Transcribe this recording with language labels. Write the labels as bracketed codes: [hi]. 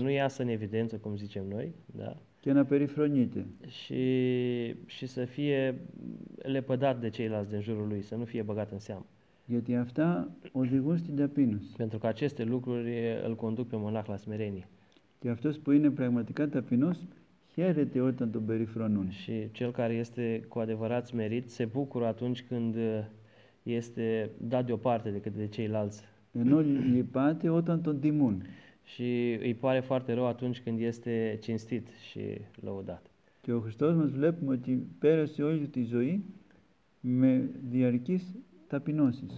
[ro] nu iasă în evidență, cum zicem noi, da? [el] Και να περιφρονείται. [ro] Și să fie lepădat de ceilalți din jurul lui, să nu fie băgat în seamă. [el] Γιατί αυτά οδηγούν στην ταπείνωση. [ro] Pentru că aceste lucruri îl conduc pe monah la smerenie. [el] Και αυτός που είναι πραγματικά ταπεινός χαίρεται όταν τον περιφρονούν. [ro] Și cel care este cu adevărat smerit se bucură atunci când este dat deoparte decât de ceilalți. [el] Ενώ λυπάται όταν τον τιμούν. [ro] Și îi pare foarte rău atunci când este cinstit și lăudat. [el] Και ο Χριστός μας βλέπουμε ότι πέρασε όλη τη ζωή με διαρκείς ταπεινώσεις.